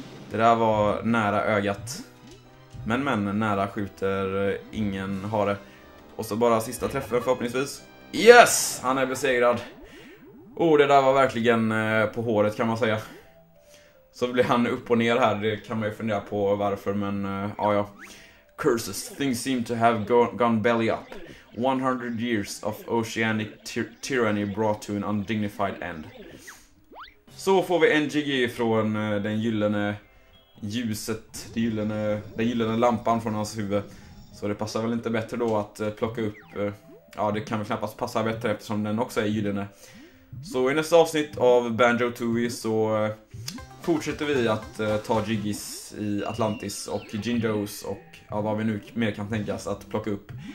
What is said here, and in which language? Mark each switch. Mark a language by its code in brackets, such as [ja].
[sv] Det där var nära ögat. Men, nära skjuter ingen hare. Och så bara sista träffen förhoppningsvis. Yes! Han är besegrad. Oh, det där var verkligen på håret kan man säga. Så blir han upp och ner här. Det kan man ju fundera på varför, men ja. [en] Curses. Things seem to have gone belly up. 100 years of oceanic tyranny brought to an undignified end. [sv] Så får vi en GG från den gyllene ljuset, den gyllene lampan från hans huvud. Så det passar väl inte bättre då att plocka upp. Ja, det kan väl knappast passa bättre eftersom den också är gyllene. Så i nästa avsnitt av Banjo-Tooie så fortsätter vi att ta Jiggies i Atlantis och Jindos och ja, vad vi nu mer kan tänkas att plocka upp.